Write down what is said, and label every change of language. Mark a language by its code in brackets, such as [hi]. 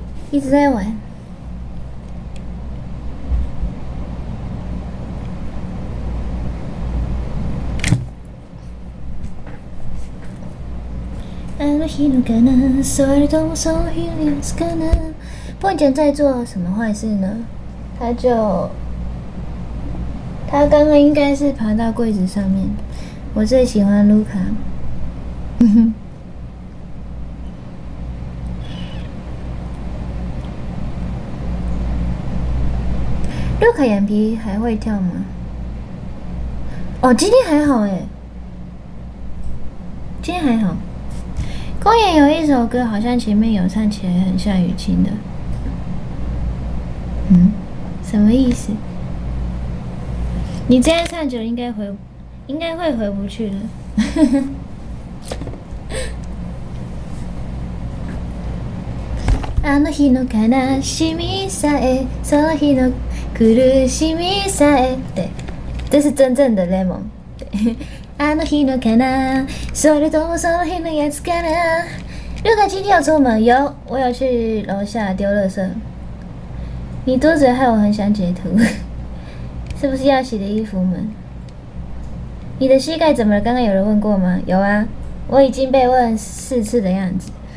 [zh] 一直在玩， [ja] あの日のかな、それともその日のやつかな。 [zh] ポンちゃん在做什么坏事呢？他刚刚应该是爬到柜子上面。我最喜欢卢卡，哼哼。陆凯眼皮还会跳吗？哦，今天还好哎，今天还好。公演有一首歌，好像前面有唱起来很像雨晴的。嗯，什么意思？你这样唱久，应该会回不去了。 [ja] あの日の悲しみさえ、その日の苦しみさえ。 [zh] 对，这是真正的 lemon。 [ja] あの日のかな、それともその日のやつかな。 [zh] 陆凯今天有出门？有，我有去楼下丢垃圾。你嘟嘴害我很想截图，是不是要洗的衣服们？你的膝盖怎么了？刚刚有人问过吗？有啊，我已经被问四次的样子。